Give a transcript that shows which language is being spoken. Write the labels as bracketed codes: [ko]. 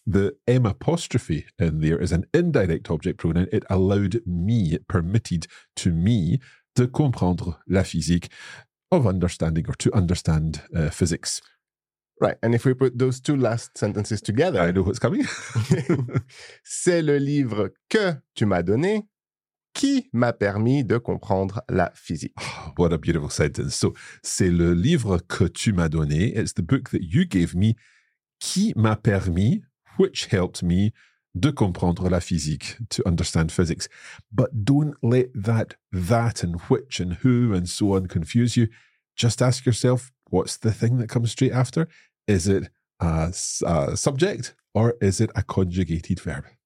[en] The M apostrophe in there is an indirect object pronoun. It allowed me, it permitted to me, [fr] de comprendre la physique, [en] of understanding or to understand physics. Right, and if we put those two last sentences together. I know what's coming. [fr] C'est le livre que tu m'as donné qui m'a permis de comprendre la physique. [en] Oh, what a beautiful sentence. [fr] So, c'est le livre que tu m'as donné. [en] It's the book that you gave me [fr] qui m'a permis, [en] which helped me, [fr] de comprendre la physique, [en] to understand physics. But don't let that and which and who and so on confuse you. Just ask yourself, what's the thing that comes straight after? Is it a subject or is it a conjugated verb?